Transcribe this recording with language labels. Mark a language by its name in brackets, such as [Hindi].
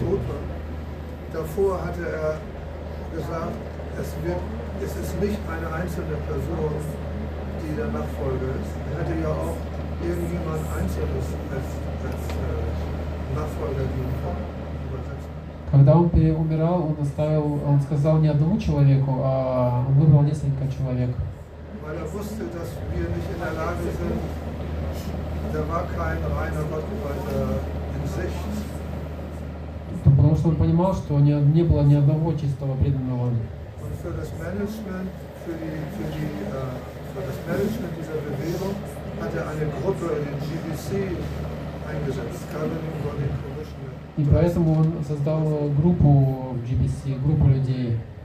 [German] Tot war. Davor hatte er gesagt, es ist nicht eine einzelne Person, die der Nachfolger ist. Er hätte ja auch irgendjemand Einzelnes als Nachfolger geben können. [Russian] Когда он умирал, он оставил, он сказал не одному человеку, а он выбрал несколько человек. [German] Weil er wusste, dass wir nicht in der Lage sind, da war kein reiner Gott in sich. [Russian] Потому что он понимал, что не было ни одного чистого преданного. [German] Und für das Management, für das Management dieser Bewegung hat eine Gruppe, den GBC, eingesetzt, Governing Body Commissioner. [Russian] И поэтому он создал группу в GBC, группу людей.